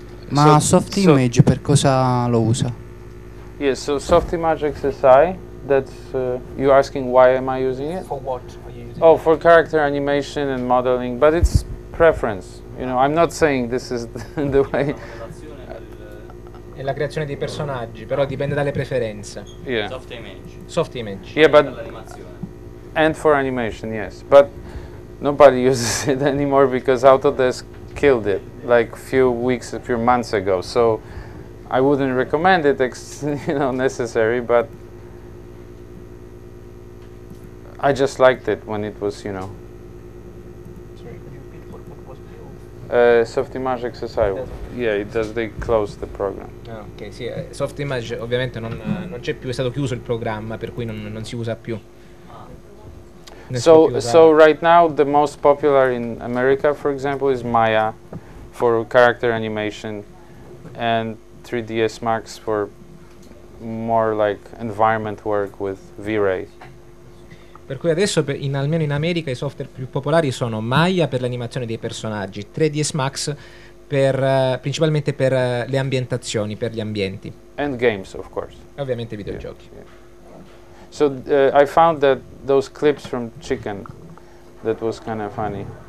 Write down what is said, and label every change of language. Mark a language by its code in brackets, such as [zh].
[it] Ma Softimage, per cosa lo usa? [en] Yes, so Softimage XSI, that's... you're asking why am I using it? For what are you using Oh, for character animation and modeling, but it's preference. You know, I'm not saying this is the way... [it] E la creazione dei personaggi, però dipende dalle preferenze. [en] Yeah. Soft image. Yeah, but and for animation, yes. But nobody uses it anymore because Autodesk killed it like a few months ago. So I wouldn't recommend it, necessary, but I just liked it when it was, you know. Softimage XSI, yeah, it does. They close the program. [it] Okay, sì. Softimage ovviamente non c'è più, è stato chiuso il programma, per cui non si usa più. [en] So right now the most popular in America, for example, is Maya for character animation, and 3ds Max for more like environment work with V-Ray. [it] Per cui adesso, almeno in America, i software più popolari sono Maya per l'animazione dei personaggi, 3ds Max principalmente per le ambientazioni, per gli ambienti. [en] And games, of course. [it] E ovviamente videogiochi. [en] Yeah, yeah. So I found that those clips from Chicken, that was kind of funny.